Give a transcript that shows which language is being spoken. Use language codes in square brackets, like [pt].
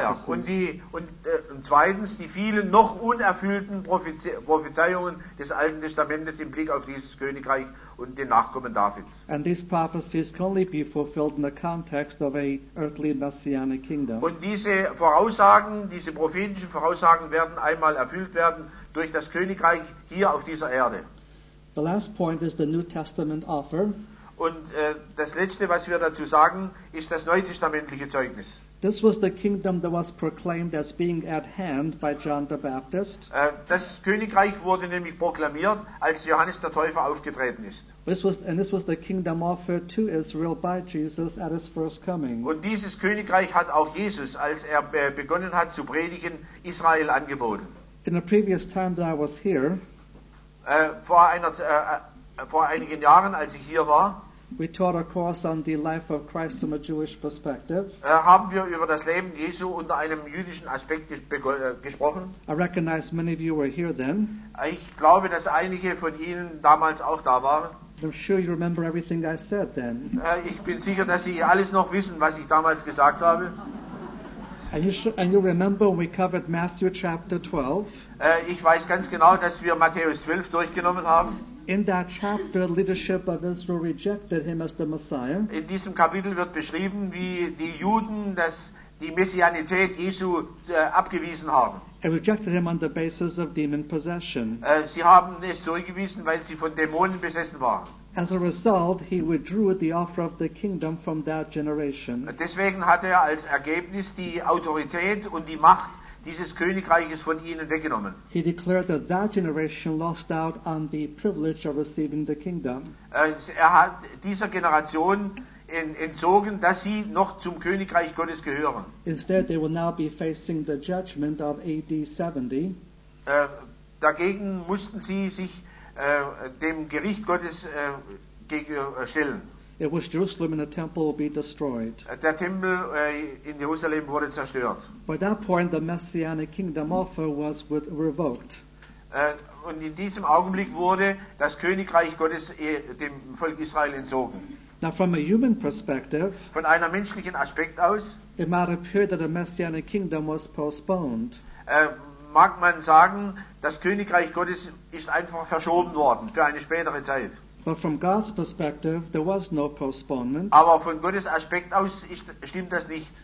[de] Und zweitens, die vielen noch unerfüllten Prophezeiungen des Alten Testamentes im Blick auf dieses Königreich und den Nachkommen Davids. [en] And these prophecies can only be fulfilled in the context of a earthly messianic kingdom. [de] Und diese Voraussagen, diese prophetischen Voraussagen werden einmal erfüllt werden durch das Königreich hier auf dieser Erde. [en] The last point is the New Testament offer. [de] Und das letzte, was wir dazu sagen, ist das neutestamentliche Zeugnis. [en] This was the kingdom that was proclaimed as being at hand by John the Baptist. [de] Das Königreich wurde nämlich proklamiert, als Johannes der Täufer aufgetreten ist. [en] This was the kingdom offered to Israel by Jesus at his first coming. [de] Und dieses Königreich hat auch Jesus, als er begonnen hat zu predigen, Israel angeboten. [en] In a previous time that I was here, [de] vor einigen Jahren, als ich hier war, [en] we taught a course on the life of Christ from a Jewish perspective. [de] Haben wir über das Leben Jesu unter einem jüdischen Aspekt gesprochen. [en] I recognize many of you were here then. [de] Ich glaube, dass einige von Ihnen damals auch da waren. [en] I'm sure you remember everything I said then. [de] Ich bin sicher, dass Sie alles noch wissen, was ich damals gesagt habe. [en] And you remember when we covered Matthew chapter 12? [de] Ich weiß ganz genau, dass wir Matthäus 12 durchgenommen haben. [en] In that chapter, leadership of Israel rejected him as the Messiah. [de] In diesem Kapitel wird beschrieben, wie die Juden die Messianität Jesu abgewiesen haben. [en] They rejected him on the basis of demon possession. [de] Sie haben es zurückgewiesen, weil sie von Dämonen besessen waren. [en] As a result, he withdrew the offer of the kingdom from that generation. [de] Deswegen hat er als Ergebnis die Autorität und die Macht dieses Königreiches von ihnen weggenommen. [en] He declared that that generation lost out on the privilege of receiving the kingdom. [de] Er hat dieser Generation entzogen, dass sie noch zum Königreich Gottes gehören. [en] Instead, they will now be facing the judgment of AD 70. [de] Dagegen mussten sie sich dem Gericht Gottes gegenüberstellen. [en] It was Jerusalem and the temple will be destroyed. [de] Der Tempel in Jerusalem wurde zerstört. [en] By that point, the messianic kingdom offer was revoked. [de] Und in diesem Augenblick wurde das Königreich Gottes dem Volk Israel entzogen. [en] Now, from a human perspective, [de] von einer menschlichen Aspekt aus, [en] it might appear that the messianic kingdom was postponed. [de] Mag man sagen, das Königreich Gottes ist einfach verschoben worden für eine spätere Zeit. [en] But from God's perspective, there was no postponement. [de] Aber von Gottes Aspekt aus stimmt das nicht.